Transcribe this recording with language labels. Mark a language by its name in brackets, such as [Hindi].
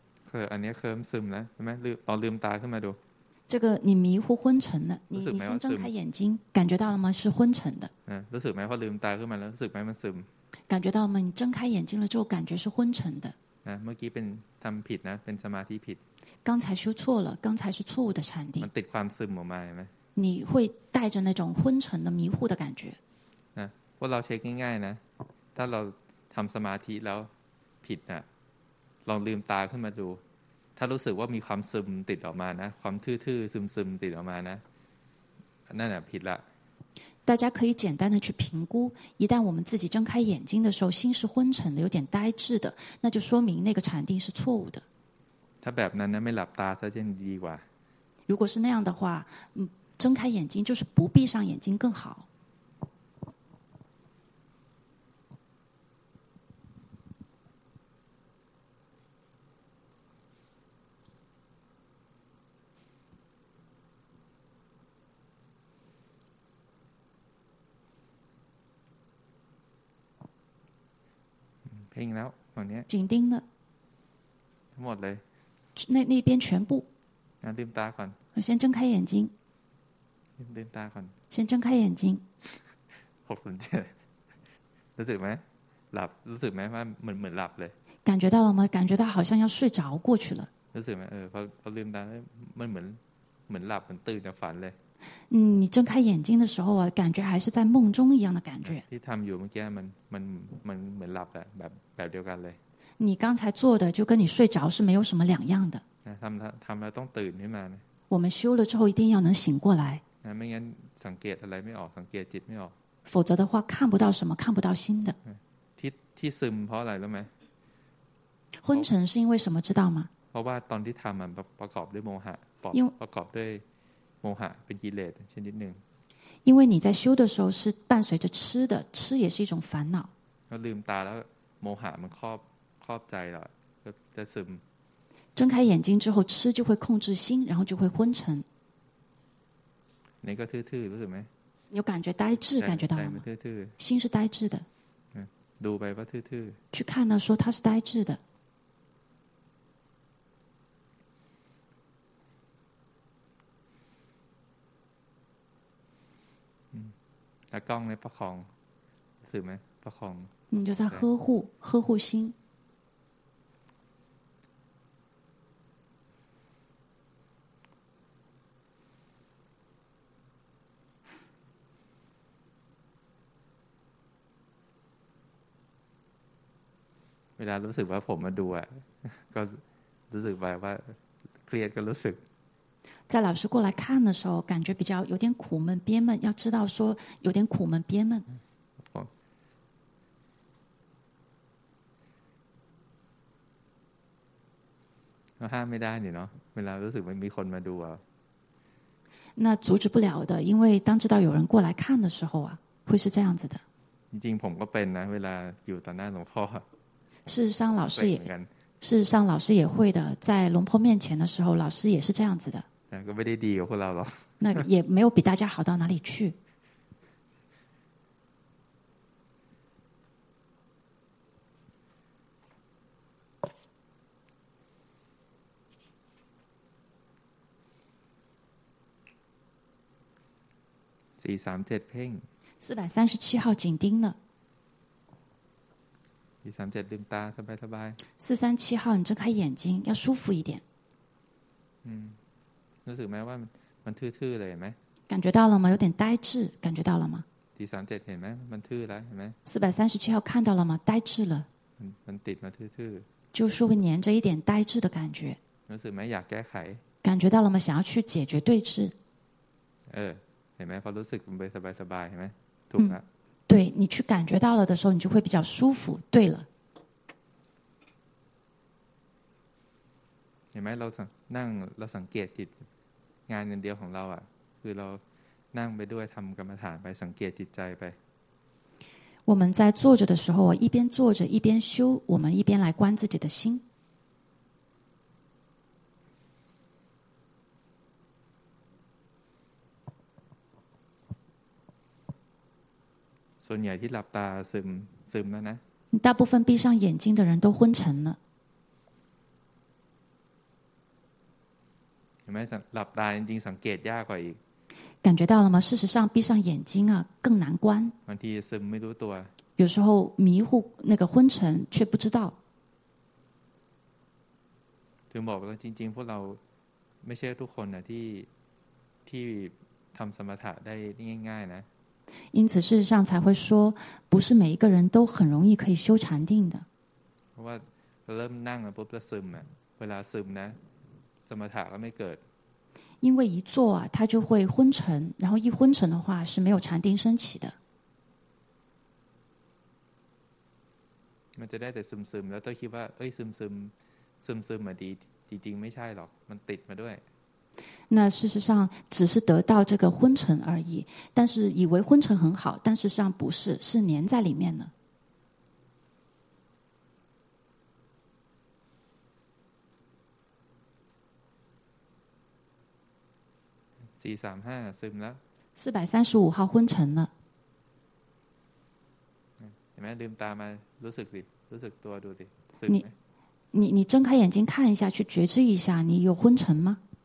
[Thai] คืออันเนี้ยเคลิ้มซึมแล้วใช่มั้ยตอนลืมตาขึ้นมาดู [Chinese] 这个你迷糊昏沉的你先睁开眼睛感觉到了吗是昏沉的 [Thai] รู้สึกไหมพอลืมตาขึ้นมาแล้วรู้สึกไหมมันซึม [Chinese] 感觉到吗你睁开眼睛了之后感觉是昏沉的 [Thai] เมื่อกี้เป็นทำผิดนะเป็นสมาธิผิด [Chinese] 刚才修错了刚才是错误的禅定 [Thai] มันติดความซึมออกมาไหม [Chinese] 你会带着那种昏沉的迷糊的感觉 [Thai] พวกเราเช็คง่ายๆนะถ้าเราทำสมาธิแล้วผิดนะลองลืมตาขึ้นมาดูถ้ารู้สึกว่ามีความซึมติดออกมานะความทื่อๆซึมๆติดออกมานะนั่นแหละผิดละ [Chinese] 大家可以简单的去评估一旦我们自己睁开眼睛的时候心是昏沉的有点呆滞的那就说明那个禅定是错误的 [Thai] ถ้าแบบนั้นนะไม่หลับตาซะจะดีกว่า [Chinese] 如果是那样的话睁开眼睛就是不闭上眼睛更好 [Thai] เพ่งแล้วตรงนี้ [Chinese] 紧盯了 [Thai] ทั้งหมดเลย [Chinese] 那边全部。 [Thai] 那ลืมตาก่อน。 [Chinese] 我先睁开眼睛。 [Thai] ลืมตาก่อน。 [Chinese] 先睁开眼睛。 60分钟。 [Thai] รู้สึกไหมหลับรู้สึกไหมว่าเหมือนหลับเลย。 [Chinese] 感觉到了吗？感觉到好像要睡着过去了。 [Thai] รู้สึกไหมพอลืมตาแล้วมันเหมือนหลับเหมือนตื่นจากฝันเลย。 [Chinese] 你睁开眼睛的时候啊，感觉还是在梦中一样的感觉。 [Thai] ที่ทำอยู่เมื่อกี้มันเหมือนหลับแหละแบบเดียวกันเลย。 [Chinese] 你刚才做的就跟你睡着是没有什么两样的。 [Thai] ทำแล้วต้องตื่นขึ้นมา。 [Chinese] 我们修了之后一定要能醒过来。 [Thai] ไม่งั้นสังเกตอะไรไม่ออกสังเกตจิตไม่ออก。 [Chinese] 否则的话看不到什么看不到心的。 [Thai] ที่ซึมเพราะอะไรรู้ไหม？ [Chinese] 昏沉是因为什么知道吗？ [Thai] เพราะว่าตอนที่ทำมันประกอบด้วยโมหะประกอบด้วยโมหะเป็นกิเลสชนิดหนึ่ง [Chinese] 因为你在修的时候是伴随着吃的吃也是一种烦恼 [Thai] เราลืมตาแล้วโมหะมันครอบใจเราก็จะซึม [Chinese] 睁开眼睛之后吃就会控制心然后就会昏沉 [Thai] นี่ก็ทื่อๆรู้สึกไหม [Chinese] 有感觉呆滞感觉到了吗 [Thai] ทื่อ [Chinese] ๆ心是呆滞的 [Thai] ดูไปว่าทื่อ [Chinese] ๆ去看呢说它是呆滞的 [Thai] แล้วกล้องเนี่ยประคองรู้สึกไหมประคอง [Chinese] 你就在呵护心 [Thai] เวลารู้สึกว่าผมมาดูอ่ะก็รู้สึกไปว่าเครียดก็รู้สึก [Chinese] 在老师过来看的时候，感觉比较有点苦闷、憋闷。要知道说有点苦闷、憋闷。我 [Thai] ห้ามไม่ได้เนาะเวลารู้สึกมีคนมาดูอ่ะ。 [Chinese] 那阻止不了的，因为当知道有人过来看的时候啊，会是这样子的。 [Thai] จริงผมก็เป็นนะเวลาอยู่ต่อหน้าหลวงพ่อ。 [Chinese] 事实上，老师也事实上老师也会的，在龙坡面前的时候，老师也是这样子的。 [Thai] ก็ไม่ได้ดีกว่าพวกเราหรอก [Chinese] 那也没有比大家好到哪里去 [Thai] 437เพ่ง [Chinese] 437号紧盯了 [Thai] 437ลืมตาสบายสบาย [Chinese] 437号你睁开眼睛要舒服一点 [Thai] รู้สึกไหมว่ามันทื่อๆเลยไหม [Chinese] 感觉到了吗有点呆滞感觉到了吗 [Thai] ที่37เห็นไหมมันทื่อแล้วเห็นไหม [Chinese] 437号看到了吗呆滞了 [Thai] มันติดมาทื่อ [Chinese] ๆ就是会黏着一点呆滞的感觉 [Thai] รู้สึกไหมอยากแก้ไข [Chinese] 感觉到了吗想要去解决对峙 [Thai] เห็นไหมพอรู้สึกมันไปสบายๆเห็นไหมถูกละ [Chinese] 对你去感觉到了的时候你就会比较舒服对了 [Thai] เห็นไหมเราสังเกตจิตงานเดียวของเราอ่ะคือเรานั่งไปด้วยทำกรรมฐานไปสังเกตจิตใจไป [Chinese] 我们在坐着的时候一边坐着一边修我们一边来观自己的心 [Thai] ส่วนใหญ่ที่หลับตาซึมแล้วนะ [Chinese] 大部分闭上眼睛的人都昏沉了 [Thai] ใช่ไหมหลับตาจริงๆสังเกตยากกว่าอีก [Chinese] 感觉到了吗事实上闭上眼睛啊更难观 [Thai] บางทีซึมไม่รู้ตัว [Chinese] 有时候迷糊那个昏沉却不知道 [Thai] ถึงบอกว่าจริงๆพวกเราไม่ใช่ทุกคนนะที่ทำสมถะได้ง่ายๆนะ [Chinese] 因此事实上才会说不是每一个人都很容易可以修禅定的 [Thai] เพราะว่าเริ่มนั่งแล้วปุ๊บแล้วซึมเวลาซึมนะสมถะก็ไม่เกิด [Chinese] 因为一坐啊它就会昏沉然后一昏沉的话是没有禅定升起的 [Thai] มันจะได้แต่ซึมๆแล้วต้องคิดว่าเอ้ยซึมๆมาดีจริงๆไม่ใช่หรอกมันติดมาด้วย [Chinese] 那事实上只是得到这个昏沉而已但是以为昏沉很好但事实上不是是黏在里面了 [Thai] 435ซึมแล้ว [Chinese] 435号昏沉了 [Thai] เห็นไหมลืมตามารู้สึกดิรู้สึกตัวดูดิ [Chinese] 你你睁开眼睛看一下，去觉知一下，你有昏沉吗？